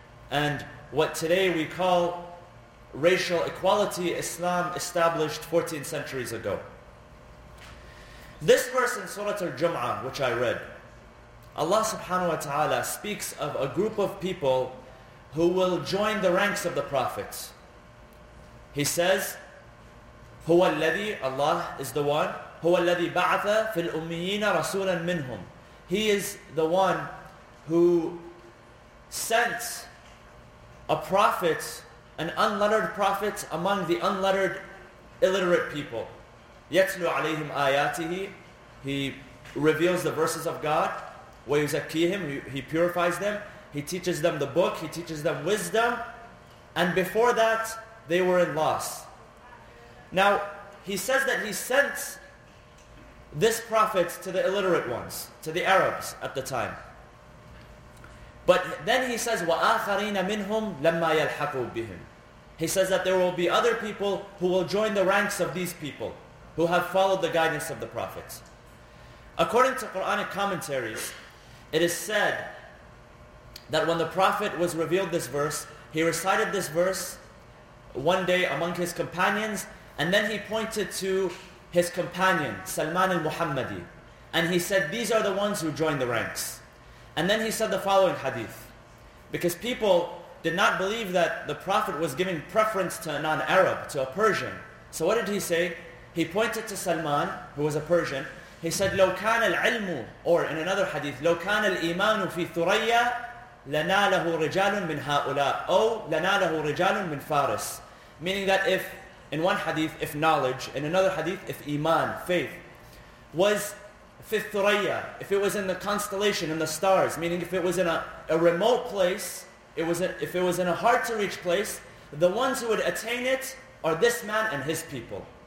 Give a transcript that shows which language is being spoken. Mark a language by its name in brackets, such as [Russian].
[English] And what today we call racial equality, Islam established 14 centuries ago. This verse in Surah Al-Jum'ah, which I read, Allah subhanahu wa ta'ala speaks of a group of people who will join the ranks of the prophets. [Arabic] He says, هُوَ الَّذِي, Allah is the one, هُوَ الَّذِي بَعْثَ فِي الْأُمِّيِّينَ رَسُولًا مِّنْهُمْ. [English] He is the one who sent a prophet, an unlettered prophet among the unlettered, illiterate people. [Arabic] يَتْلُوا عَلَيْهِمْ آيَاتِهِ. [English] He reveals the verses of God. وَيُزَكِّيهِمْ, he purifies them, he teaches them the book, he teaches them wisdom. And before that, they were in loss. Now, he says that he sent this prophet to the illiterate ones, to the Arabs at the time. [Arabic] But then he says, وَآخَرِينَ مِنْهُمْ لَمَّا يَلْحَقُوا بِهِمْ. [English] He says that there will be other people who will join the ranks of these people who have followed the guidance of the prophet. According to Quranic commentaries, it is said that when the prophet was revealed this verse, he recited this verse one day among his companions, and then he pointed to his companion, Salman al-Muhammadi, and he said, these are the ones who joined the ranks. And then he said the following hadith, because people did not believe that the prophet was giving preference to a non-Arab, to a Persian. So what did he say? He pointed to Salman, who was a Persian. [Arabic] He said, لو كان العلم, or in another hadith, لو كان الإيمان في ثريا لناله رجال من هؤلاء أو لناله رجال من فارس. [English] Meaning that if, in one hadith, if knowledge, in another hadith, if iman, faith, was في ثريا, if it was in the constellation, in the stars, meaning if it was in a remote place, if it was in a hard to reach place, the ones who would attain it are this man and his people.